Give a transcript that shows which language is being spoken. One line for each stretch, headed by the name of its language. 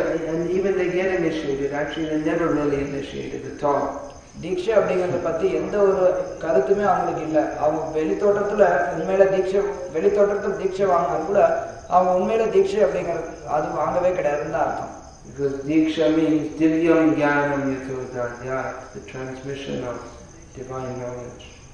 English: And even they get initiated, actually they never really initiated at all.
Tamil: Diksha அப்படிங்கறத பத்தி எந்த ஒரு கருத்துமே அவங்களுக்கு இல்ல. அவங்க வெளித்தோற்றத்துல உண்மையில தீட்சை, வெளித்தோற்றத்துல தீட்சை வாங்கினா கூட அவங்க உண்மையில தீட்சை அப்படிங்கறது அது வாங்கவே கிடையாதுன்னு அர்த்தம்.
English: Because diksha means divyam gyanam yathodaya, the transmission of divine knowledge.